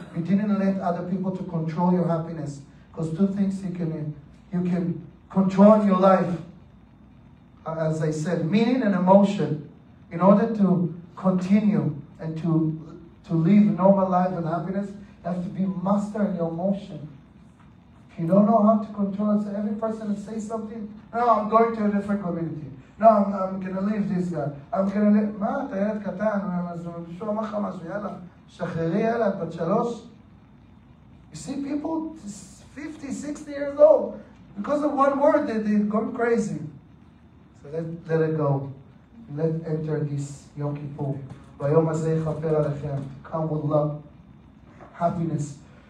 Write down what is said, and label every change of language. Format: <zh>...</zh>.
<en>You didn't let other people to control your happiness. Those two things you can control in your life, as I said, meaning and emotion, in order to continue and to live normal life and happiness, you have to be master in your emotion. If You don't know how to control it. So every person that says something, no, I'm going to a different community. No, I'm going to leave this guy. I'm going to leave.</en> <he>מה, אתה ילד קטן? אז מישהו אמר לך משהו, יאללה, שחררי, יאללה, את בת שלוש.</he> <en>You see people 50, 60 years old, because of one word, they've gone crazy. So let it go. Let enter this Yom Kippur.</en> <he>ביום הזה יחפר עליכם.</he> <en>Come with love, happiness.</en>